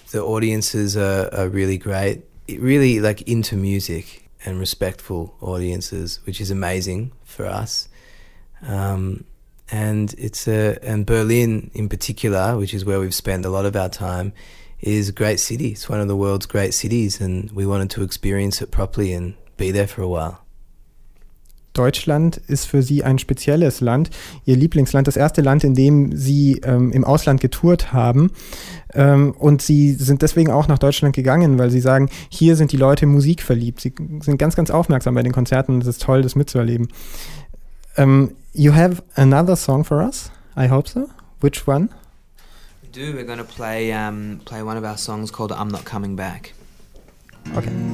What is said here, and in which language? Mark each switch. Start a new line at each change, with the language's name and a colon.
English: The audiences are really great. It really like into music and respectful audiences, which is amazing for us. And Berlin in particular, which is where we've spent a lot of our time, is a great city. It's one of the world's great cities, and we wanted to experience it properly and be there for a while.
German: Deutschland ist für Sie ein spezielles Land, Ihr Lieblingsland, das erste Land, in dem Sie im Ausland getourt haben. Und Sie sind deswegen auch nach Deutschland gegangen, weil Sie sagen, hier sind die Leute musikverliebt. Sie sind ganz, ganz aufmerksam bei den Konzerten. Es ist toll, das mitzuerleben.
English: You have another song for us? I hope so. Which one? We do. We're going to play one of our songs called I'm Not Coming Back. Okay.